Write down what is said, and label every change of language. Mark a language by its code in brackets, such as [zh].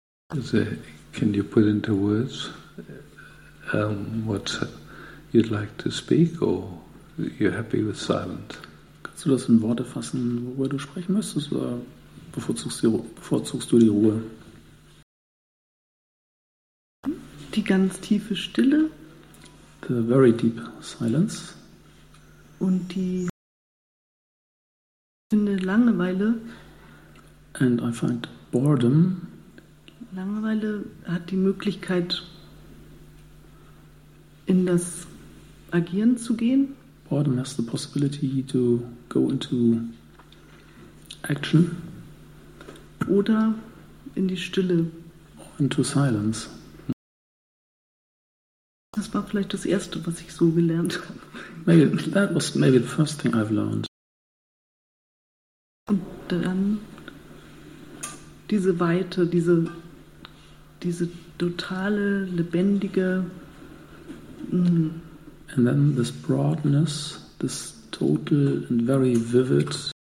[en] Can you put into words what you'd like to speak, or you're happy with silence? [de] Kannst du das in Worte fassen, worüber du sprechen möchtest, oder bevorzugst du die Ruhe? Die ganz tiefe Stille. [en] The very deep silence. [de] Und die finde Langeweile. [en] And I find boredom. [de] Langeweile hat die Möglichkeit, in das Agieren zu gehen. [en] Boredom has the possibility to go into action. [de] Oder in die Stille. [en] Into silence. [de] Das war vielleicht das Erste, was ich so gelernt habe. [en] Maybe that was maybe the first thing I've learned. [de] diese Weite, diese totale, lebendige. [en] And then this broadness, this total and very vivid.